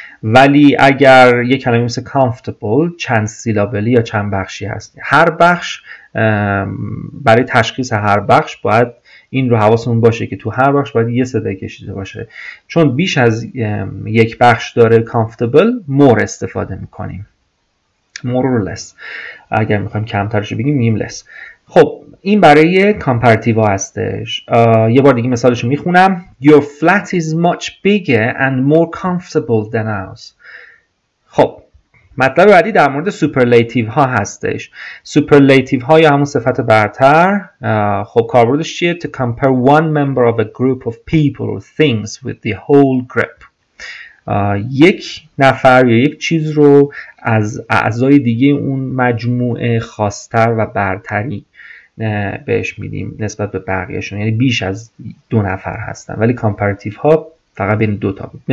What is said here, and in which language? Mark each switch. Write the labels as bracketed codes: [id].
[fa] ولی اگر یک کلمه مثل comfortable چند سیلابلی یا چند بخشی هست، هر بخش برای تشخیص هر بخش باید این رو حواسمون باشه که تو هر بخش باید یه صدای کشیده باشه، چون بیش از یک بخش داره comfortable more استفاده میکنیم، more or less اگر میخوایم کمترش رو بگیم میگیم less. خب این برای کامپارتیو هستش. یه بار دیگه مثالش رو میخونم. [en] Your flat is much bigger and more comfortable than ours. [fa] خب مطلب بعدی در مورد سوپرلیتیو ها هستش. سوپرلیتیو ها یا همون صفت برتر، خب کاربردش چیه؟ [en] To compare one member of a group of people or things with the whole group. [fa] یک نفر یا یک چیز رو از اعضای دیگه اون مجموعه خاص‌تر و برتری بهش میدیم نسبت به بقیهشون، یعنی بیش از دو نفر هستن، ولی کامپارتیو ها فقط بین دو تا بود.